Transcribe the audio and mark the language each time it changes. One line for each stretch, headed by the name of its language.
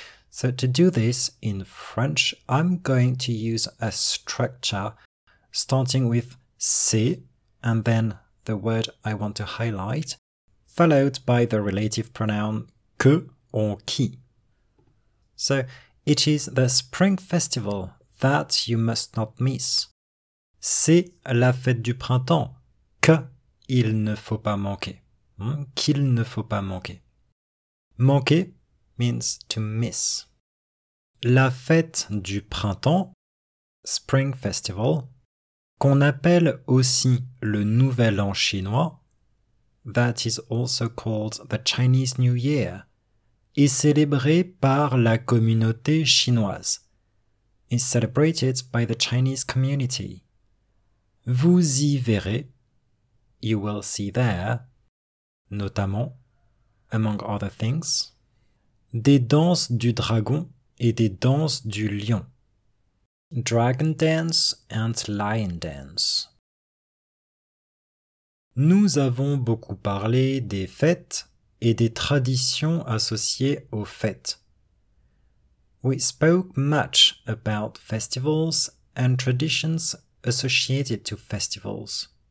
English: So to do this in French, I'm going to use a structure starting with c'est and then the word I want to highlight, followed by the relative pronoun que or qui. So, it is the spring festival that you must not miss.
French: C'est la fête du printemps que il ne faut pas manquer. Qu'il ne faut pas manquer. Manquer
English: means to miss.
French: La fête du printemps,
English: spring festival,
French: qu'on appelle aussi le nouvel an chinois,
English: that is also called the Chinese New Year,
French: est célébré par la communauté chinoise.
English: Is celebrated by the Chinese community.
French: Vous y verrez,
English: you will see there, notamment, among other things,
French: des danses du dragon et des danses du lion.
English: Dragon dance and lion dance.
French: Nous avons beaucoup parlé des fêtes et des traditions associées aux fêtes.
English: We spoke much about festivals and traditions associated to festivals.